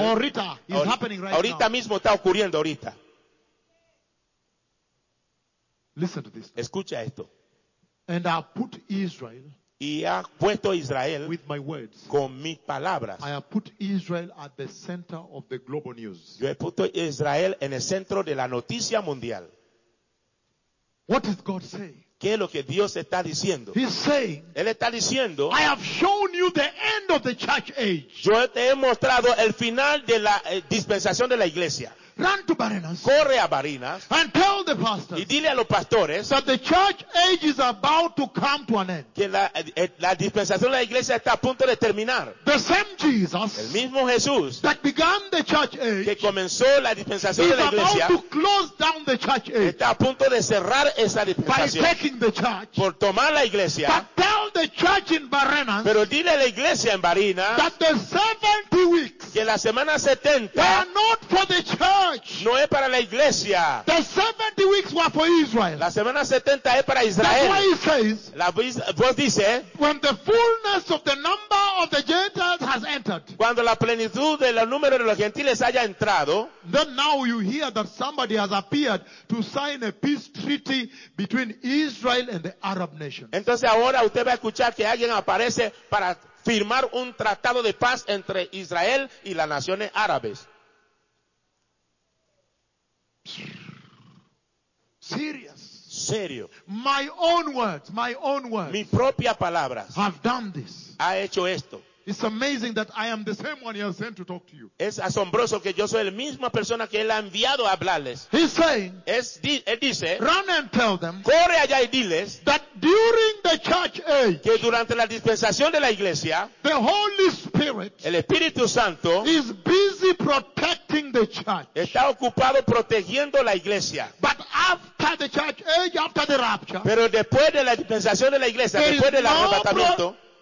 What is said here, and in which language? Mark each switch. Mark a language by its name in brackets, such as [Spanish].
[Spanish] Ahorita mismo está ocurriendo. [English] Listen to this. [Spanish] Escucha esto. [English] And I put Israel. [Spanish] Y ha puesto Israel [English] with my words, [Spanish] con mis palabras. [English] I have put Israel at the center of the global news. [Spanish] Yo he puesto Israel en el centro de la noticia mundial. [English] What is God saying? [Spanish] ¿Qué es lo que Dios está diciendo? [English] He's saying, [Spanish] Él está diciendo, [English] I have shown you the end of the church age. [Spanish] Yo te he mostrado el final de la dispensación de la iglesia. [English] Run to Barinas. [Spanish] Corre a Barinas. [English] And tell the pastors. [Spanish] Y dile a los pastores. [English] That the church age is about to come to an end. [Spanish] Que la dispensación de la iglesia está a punto de terminar. [English] The same Jesus. [Spanish] El mismo Jesús. [English] That began the church age. [Spanish] Que comenzó la dispensación de la iglesia. [English] Is about to close down the church age. [Spanish] Está a punto de cerrar esa dispensación. [English] By taking the church. [Spanish] Por tomar la iglesia. [English] But tell the church in Barinas. [Spanish] Pero dile a la iglesia en Barinas. [English] That the 70 weeks. [Spanish] Que la semana 70. [English] They are not for the church. [Spanish] No es para la iglesia. [English] The 70 weeks were for Israel. [Spanish] La semana 70 es para Israel. [English] That's why he says, [Spanish] la voz dice, [English] when the fullness of the number of the Gentiles has entered. [Spanish] Cuando la plenitud del número de los gentiles haya entrado. [English] Then now you hear that somebody has appeared to sign a peace treaty between Israel and the Arab nations. [Spanish] Entonces ahora usted va a escuchar que alguien aparece para firmar un tratado de paz entre Israel y las naciones árabes. [English] Serious. [Spanish] Serio. [English] My own words. [Spanish] Mis propias palabras. [English] Have done this. [Spanish] Ha hecho esto. [English] It's amazing that I am the same one he has sent to talk to you. [Spanish] Es asombroso que yo soy la misma persona que él ha enviado a hablarles. [English] He's saying. [Spanish] Él dice. [English] Run and tell them. [Spanish] Corre allá y diles. [English] That during the church age. [Spanish] Que durante la dispensación de la iglesia. [English] The Holy Spirit. [Spanish] El Espíritu Santo. [English] Is busy protecting the church. [Spanish] Está ocupado protegiendo la iglesia. [English] But after the church age, after the rapture. [Spanish] Pero después de la dispensación de la iglesia, después del arrebatamiento.